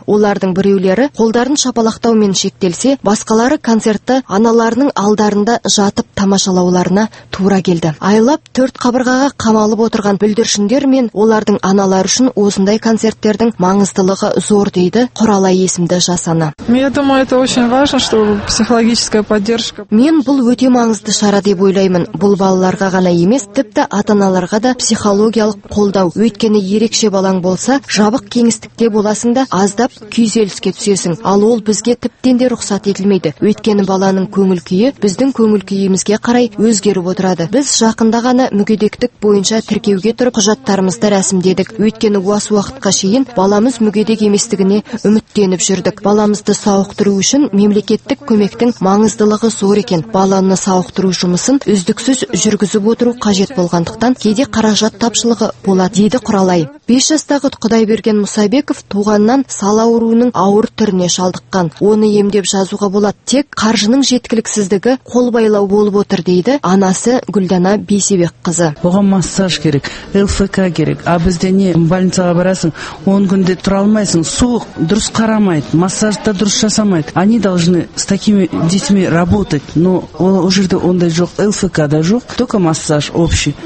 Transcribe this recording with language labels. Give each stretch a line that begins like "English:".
Kazakh: Олардың біреулері қолдарын шапалақтаумен шектелсе, басқалары концертті аналарының алдарында жатып тамашалауларына тура келді. Айлап 4 қабырғаға қамалып отырған бүлдіршіндер мен олардың аналары үшін осындай концерттердің маңыздылығы зор дейді. Құрала есімді жасаны.
Russian: Я думаю, это очень важно, что психологическая поддержка.
Kazakh: Мен бұл өте маңызды шара деп ойлаймын. Бұл балаларға ғана емес, тіпті ата-аналарға да психологиялық қолдау. Өйткені ерекше балаң болса, жабық кеңістікте боласың да аздап күйзеліске түсесің. Ал ол бізге тіптен де рұқсат етілмейді. Өйткені баланың көңіл-күйі біздің көңіл-күйімізге қарай өзгеріп отырады. Біз жақында ғана мүгедектік бойынша тіркеуге тұрып құжаттарымызды рәсімдедік. Өйткені осы уақытқа шейін баламыз мүгедек еместігіне үміттеніп жүрдік. Баламызды сауықтыру үшін мемлекеттік көмектің маңыздылығы зор екен. Баланы сауықтыру жұмысын үздіксіз жүргізіп отыру қажет болғандықтан кейде қаражат тапшылығы болады, дейді Құралай. 5 жастағы Құдайберген Мұсабеков туғаннан сал ауруының ауыр түріне шалдыққан. Оны емдеп жазуға болады, тек қаржының жеткіліксіздігі қол байлау болып отыр, дейді анасы Гүлдана Бейсебекқызы. Оған массаж керек, ЛФК керек. А бізде не, больницаға барасың, 10 күнде тұра алмайсың. Суық дұрыс қарамайды, массажды дұрыс жасамайды.
Russian: Они должны с такими детьми работать, но
Kazakh: ол жерде ондай жоқ, ЛФК да жоқ,
Russian: только массаж общий.